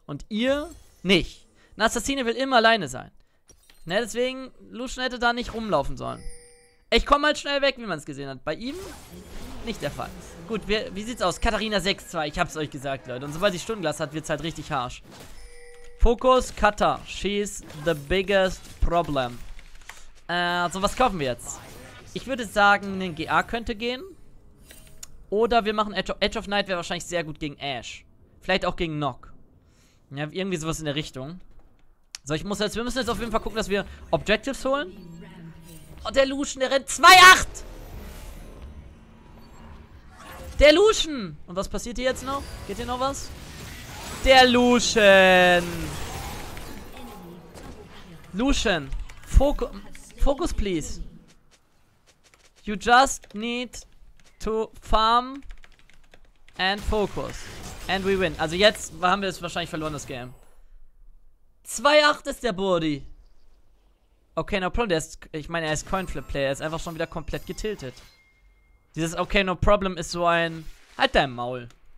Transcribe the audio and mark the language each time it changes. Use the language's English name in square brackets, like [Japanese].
[German] Und ihr nicht. Ein Assassine will immer alleine sein. Ne, deswegen... Lucian hätte da nicht rumlaufen sollen. Ich komme halt schnell weg, wie man es gesehen hat. Bei ihm? Nicht der Fall. Gut, wie sieht's aus? Katharina 6-2. Ich hab's euch gesagt, Leute. Und sobald sie Stundenglas hat, wird's halt richtig harsch. Fokus, Katha. [English] She's the biggest problem. [German] So, was kaufen wir jetzt? Ich würde sagen, ein GA könnte gehen. Oder wir machen Edge of Night, wäre wahrscheinlich sehr gut gegen Ashe. Vielleicht auch gegen Nock. Ja, irgendwie sowas in der Richtung. So, ich muss jetzt, wir müssen jetzt auf jeden Fall gucken, dass wir Objectives holen. Oh, der Lucian, der rennt 2-8! Der Lucian! Und was passiert hier jetzt noch? Geht hier noch was? Der Lucian! [English] Lucian, focus please. You just need to farm and focus. And we win. [German] Also jetzt haben wir es wahrscheinlich verloren, das Game. 2-8 ist der Body. [English] Okay, no problem. [German] Ich meine, er ist Coinflip-Player. Er ist einfach schon wieder komplett getiltet. Dieses [English] okay, no problem [German] ist so ein... Halt dein Maul.